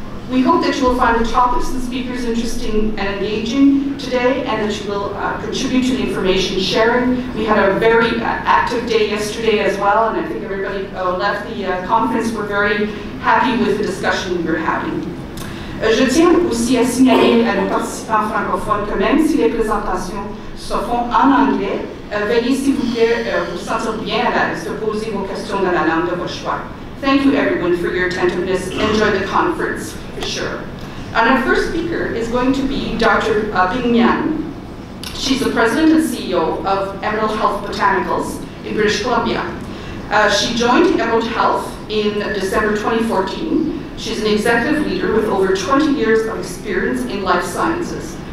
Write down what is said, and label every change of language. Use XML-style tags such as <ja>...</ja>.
<en>We hope that you will find the topics and speakers interesting and engaging today, and that you will contribute to the information sharing. We had a very active day yesterday as well, and I think everybody left the conference. We're very happy with the discussion we were having.</en> <fr>Je tiens aussi à signaler à nos participants francophones que même si les présentations se font en anglais, veuillez s'il vous plaît vous sentir bien à l'aise de poser vos questions dans la langue de votre choix.</fr> <en>Thank you everyone for your attentiveness. Enjoy the conference for sure. And our first speaker is going to be Dr. Bing Yan. She's the president and CEO of Emerald Health Botanicals in British Columbia. She joined Emerald Health in December 2014. She's an executive leader with over 20 years of experience in life sciences.</en>